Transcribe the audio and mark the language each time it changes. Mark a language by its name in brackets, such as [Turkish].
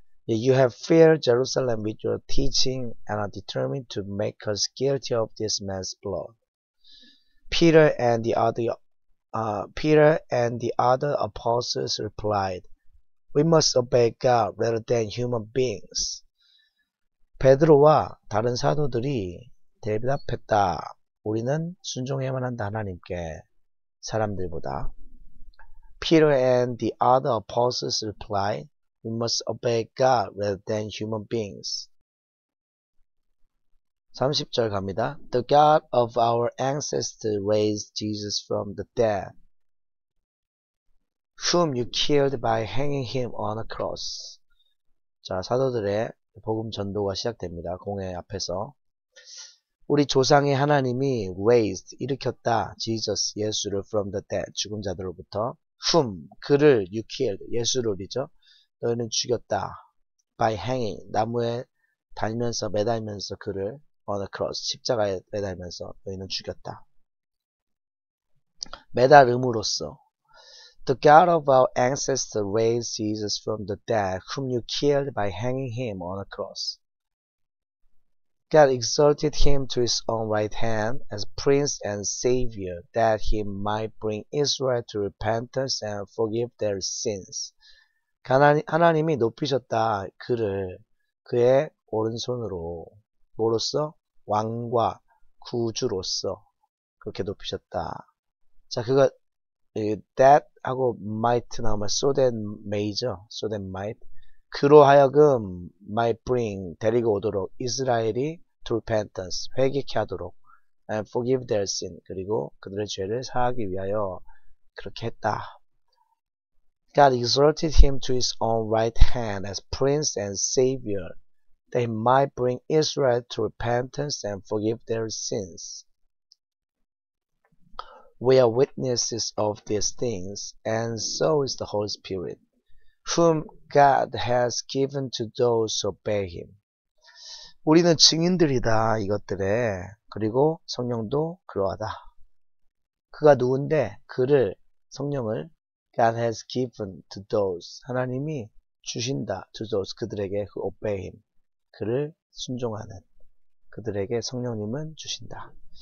[English] You have filled Jerusalem with your teaching and are determined to make us guilty of this man's blood. Peter and the other Peter and the other apostles replied, "We must obey God rather than human beings." [Korean] 베드로와 다른 사도들이 대답했다. 우리는 순종해야만 한다 하나님께 사람들보다. [English] Peter and the other apostles replied, "We must obey God rather than human beings." [Korean] 30절 갑니다. [English] The God of our ancestors raised Jesus from the dead, whom you killed by hanging him on a cross. [Korean] 자, 사도들의 복음 전도가 시작됩니다. 공회 앞에서. 우리 조상의 하나님이 raised, 일으켰다. Jesus, 예수를 [English] from the dead, [Korean] 죽은 자들로부터. whom, 그를, [English] you killed, [Korean] 예수를이죠. 너희는 죽였다. [English] by hanging, [Korean] 나무에 달면서, 매달면서 그를. [English] on a cross, [Korean] 십자가에 매달면서 너희는 죽였다. 매달음으로써. [English] The God of our ancestors raised Jesus from the dead, whom you killed by hanging him on a cross. God exalted him to his own right hand as prince and savior, that he might bring Israel to repentance and forgive their sins. [Korean] 하나님이 높이셨다. 그를 그의 오른손으로, 뭐로써? 왕과 구주로서 그렇게 높이셨다. 자, 그거 that 하고 might 나오면 [English] so that major, so that might [Korean] 그로 하여금 [English] might bring [Korean] 데리고 오도록 이스라엘이 [English] to repentance [Korean] 회개케 하도록 [English] and forgive their sin [Korean] 그리고 그들의 죄를 사하기 위하여 그렇게 했다. [English] God exalted him to his own right hand as prince and savior that he might bring Israel to repentance and forgive their sins. We are witnesses of these things, and so is the Holy Spirit, whom God has given to those who obey him. [Korean] 우리는 증인들이다, 이것들의. 그리고 성령도 그러하다. 그가 누군데? 그를, 성령을. [English] God has given to those. [Korean] 하나님이 주신다. [English] To those. [Korean] 그들에게 [English] who obey him. [Korean] 그를 순종하는 그들에게 성령님은 주신다.